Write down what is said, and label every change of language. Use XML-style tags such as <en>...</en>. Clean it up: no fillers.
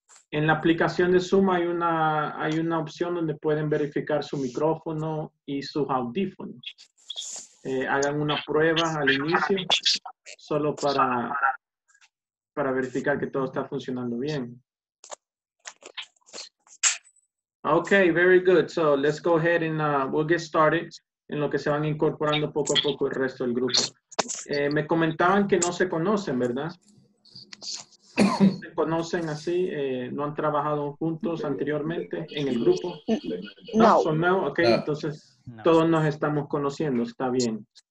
<es>En la aplicación de Zoom hay una opción donde pueden verificar su micrófono y sus audífonos. Hagan una prueba al inicio, solo para verificar que todo está funcionando bien.</es> <en>Okay, very good. So let's go ahead and we'll get started.</en> <es>En lo que se van incorporando poco a poco el resto del grupo. Me comentaban que no se conocen, ¿verdad? No se conocen así, no han trabajado juntos anteriormente en el grupo. No. Okay, entonces todos nos estamos conociendo, está bien.</es>